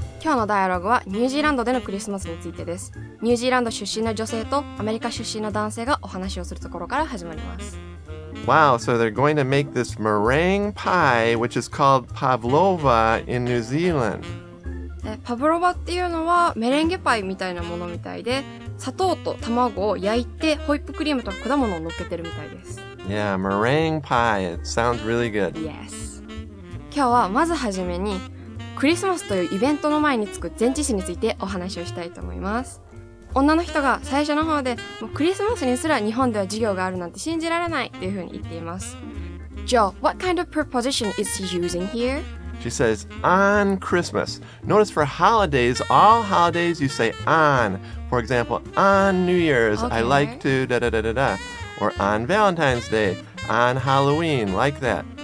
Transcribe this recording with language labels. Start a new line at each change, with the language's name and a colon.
Japanese: このダイアログはニュージーランドでのクリスマスについてです。ニュージーランド出身の女性とアメリカ出身の男性がお話をするところから始まります。
English: Wow, so they're going to make this meringue pie, which is called pavlova in New Zealand.
Japanese: パブロバっていうのはメレンゲパイみたいなものみたいで、砂糖と卵を焼いてホイップクリームとか果物を乗っけてるみたいです。
English: Yeah, meringue pie. It sounds really good. Yes.
Japanese: 今日はまずはじめに、クリスマスというイベントの前につく前置詞についてお話をしたいと思います。女の人が最初の方で、もうクリスマスにすら日本では授業があるなんて信じられないっていうふうに言っています。
English: Joe, what kind of preposition is she using here? She says, on Christmas. Notice for holidays, all holidays you say on. For example, on New Year's,、 okay. I like to da da da da da. Or on Valentine's Day, on Halloween, like that.